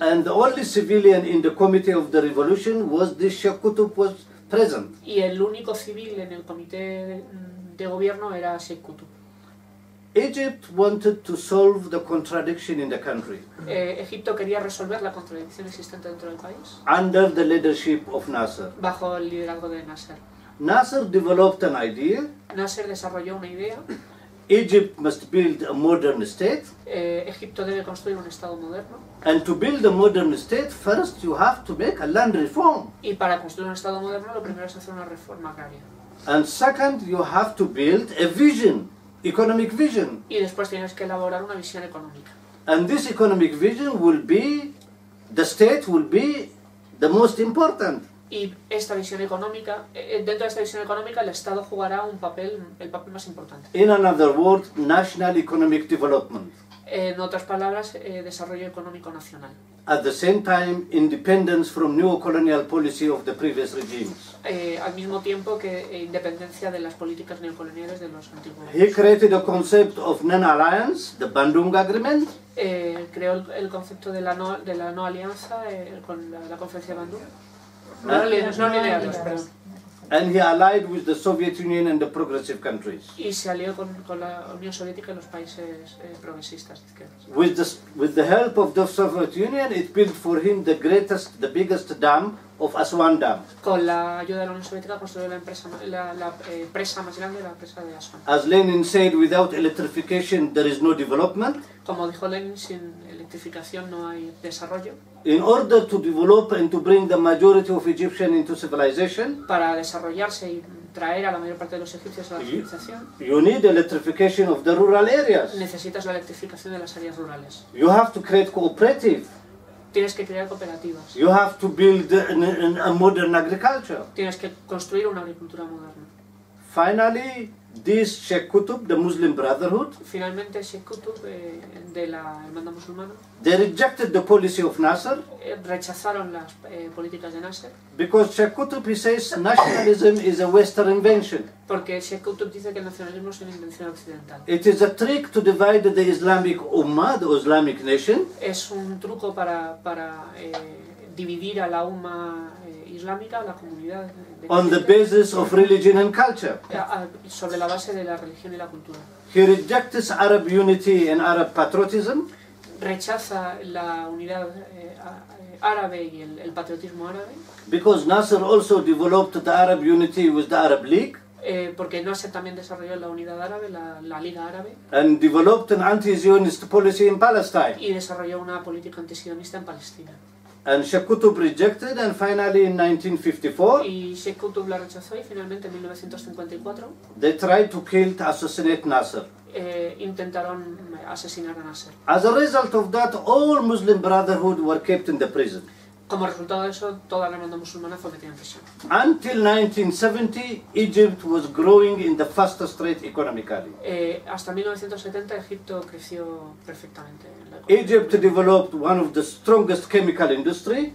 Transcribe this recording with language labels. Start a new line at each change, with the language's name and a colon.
English: And the only civilian in the Committee of the Revolution was this Sheikh Qutb was present.
Spanish: Y el único civil en el comité de gobierno era Sheikh Qutb.
English: Egypt wanted to solve the contradiction in the country.
Spanish: Egipto quería resolver la contradicción existente dentro del país.
English: Under the leadership of Nasser.
Spanish: Bajo el liderazgo de Nasser.
English: Nasser developed an idea.
Spanish: Nasser desarrolló una idea.
English: Egypt must build a modern state.
Spanish: Egipto debe construir un estado moderno.
English: And to build a modern state, first you have to make a land reform.
Spanish: Y para construir un estado moderno, lo primero es hacer una reforma agraria.
English: And second, you have to build a vision, economic vision.
Spanish: Y después tienes que elaborar una visión económica.
English: And this economic vision will be, the state will be the most important.
Spanish: Y esta visión económica, dentro de esta visión económica, el Estado jugará un papel, el papel más importante.
English: In another word, national economic development.
Spanish: En otras palabras, desarrollo económico nacional.
English: At the same time, independence from neocolonial policy of the previous regimes.
Spanish: Al mismo tiempo que independencia de las políticas neocoloniales de los antiguos.
English: He created a concept of non-alliance, the Bandung Agreement.
Spanish: Creó el concepto de la no alianza con la conferencia de Bandung. No,
English: and he allied with the Soviet Union and the progressive countries.
Spanish: Y se alió con la Unión Soviética y los países progresistas de izquierda.
English: With the help of the Soviet Union, it built for him the greatest, the biggest dam of Aswan Dam.
Spanish: Con la ayuda de la Unión Soviética construyó la presa más grande, la presa de Aswan.
English: As Lenin said, without electrification, there is no development.
Spanish: Como dijo Lenin, sin electrificación no hay desarrollo.
English: In order to develop and to bring the majority of Egyptians into civilization,
Spanish: para desarrollarse y traer a la mayor parte de los egipcios a la civilización,
English: you need electrification of the rural areas.
Spanish: Necesitas la electrificación de las áreas rurales.
English: You have to create cooperatives.
Spanish: Tienes que crear cooperativas.
English: You have to build a modern agriculture.
Spanish: Tienes que construir una agricultura moderna.
English: Finally, this Sheikh Qutb, the Muslim Brotherhood.
Spanish: Finalmente, Sheikh Qutb de la Hermandad Musulmana.
English: They rejected the policy of Nasser.
Spanish: Rechazaron las políticas de Nasser.
English: Because Sheikh Qutb, he says, nationalism is a Western invention.
Spanish: Porque Sheikh Qutb dice que el nacionalismo es una invención occidental.
English: It is a trick to divide the Islamic Ummah, the Islamic nation.
Spanish: Es un truco para dividir a la Ummah islámica, la comunidad.
English: On the basis of religion and culture.
Spanish: Sobre la base de la religión y la cultura.
English: He rejects Arab unity and Arab patriotism.
Spanish: Rechaza la unidad árabe y el patriotismo árabe.
English: Because Nasser also developed the Arab unity with the Arab League.
Spanish: Porque Nasser también desarrolló la unidad árabe, la Liga Árabe.
English: And developed an anti-Zionist policy in Palestine.
Spanish: Y desarrolló una política antisionista en Palestina.
English: And Sheikh Qutb rejected, and finally in 1954.
Spanish: Y Sheikh Qutb la rechazó y finalmente en 1954.
English: They tried to kill, to assassinate Nasser.
Spanish: Intentaron asesinar a Nasser.
English: As a result of that, all Muslim Brotherhood were kept in the prison.
Spanish: Como resultado de eso, toda la Hermandad Musulmana fue metida en prisión.
English: Until 1970, Egypt was growing in the fastest rate economically.
Spanish: Hasta 1970, Egipto creció perfectamente.
English: Egypt developed one of the strongest chemical industry.